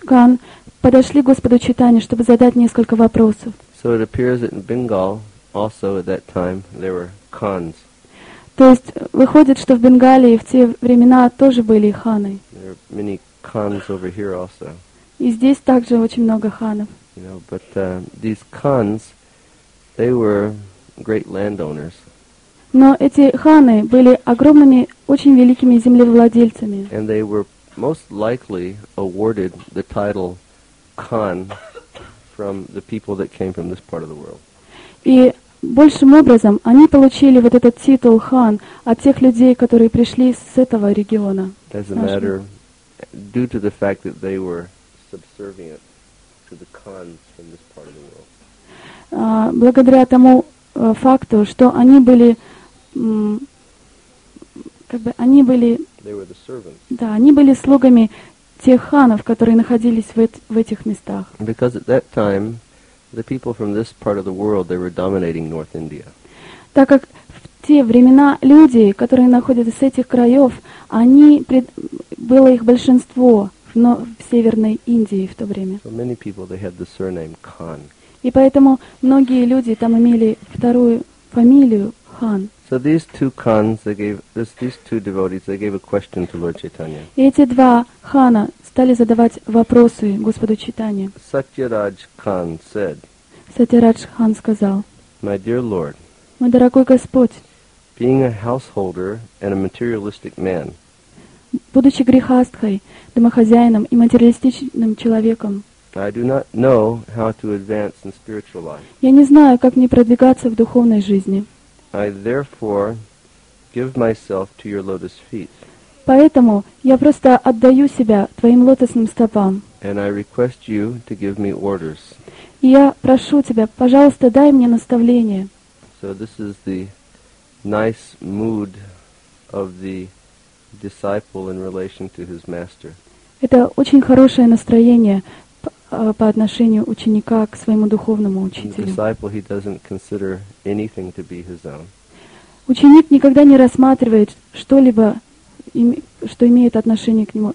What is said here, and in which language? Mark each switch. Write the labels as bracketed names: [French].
[Russian] Кан подошли к Господу Чайтанье, чтобы задать несколько вопросов. [English] So it appears that in Bengal also at that time there were Khans. [Russian] То есть выходит, что в Бенгалии в те времена тоже были ханы. [English] There are many Khans over here also. [Russian] И здесь также очень много ханов. [English] You know, but these Khans, they were great landowners. [Russian] Но эти ханы были огромными, очень великими землевладельцами. [English] And they were most likely awarded the title Khan from the people that came from this part of the world. [Russian] И большим образом они получили вот этот титул хан от тех людей, которые пришли с этого региона. [English] As a matter, due to the fact that they were subservient to the Khans from this part of the world. [Russian] Благодаря тому факту, что они были, как бы они были [English] They were the servants. [Russian] Да, они были слугами тех ханов, которые находились в этих местах. [English] Because at that time, the people from this part of the world, they were dominating North India. [Russian] Так как в те времена люди, которые находятся с этих краев, они было их большинство в Северной Индии в то время. [English] So many people, they had the surname Khan. [Russian] И поэтому многие люди там имели вторую фамилию Хан. [English] So these two Khans, they gave these two devotees, they gave a question to Lord Chaitanya. [Russian] И эти два Хана стали задавать вопросы Господу Чайтанье. [English] Сатьярадж Хан said. [Russian] Сатьярадж Хан сказал. [English] My dear Lord. [Russian] Мой дорогой Господь. [English] Being a householder and a materialistic man. [Russian] Будучи грехастхой, домохозяином и материалистичным человеком. [English] I do not know how to advance in spiritual life. [Russian] Я не знаю, как мне продвигаться в духовной жизни. [English] I therefore give myself to your lotus feet. [Russian] Поэтому я просто отдаю себя твоим лотосным стопам. [English] And I request you to give me orders. [Russian] И я прошу тебя, пожалуйста, дай мне наставление. [English] So this is the nice mood of the disciple in relation to his master. [Russian] Это очень хорошее настроение по отношению ученика к своему духовному учителю. [English] Disciple, he doesn't consider anything to be his own. [Russian] Ученик никогда не рассматривает что-либо, что имеет отношение к нему.